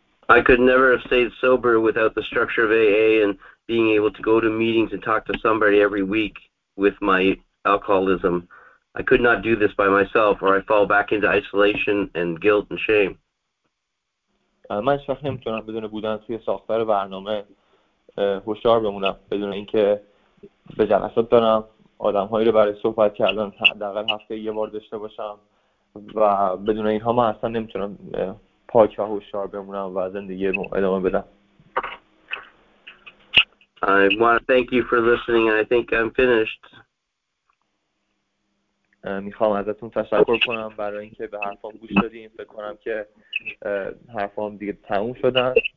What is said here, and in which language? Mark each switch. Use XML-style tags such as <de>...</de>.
<en>I could never have stayed sober without the structure of AA and being able to go to meetings and talk to somebody every week with my alcoholism. I could not do this by myself, or I fall back into isolation and guilt and shame.</en> <fa>من هیچ وقت نمیتونم بدون بودن توی ساختار برنامه هوشیار بمونم، بدون اینکه به جلسات برم، آدمهایی رو برای صحبت کردن حداقل هفته یه بار داشته باشم، و بدون اینها من اصلا نمیتونم پاک و هوشیار بمونم و زندگی رو ادامه بدم.</fa> <en>I want to thank you for listening and I think I'm finished.</en> <fa>میخوام ازتون تشکر کنم برای اینکه به حرفام گوش دادین. فکر کنم که حرفام دیگه تموم شدن.</fa>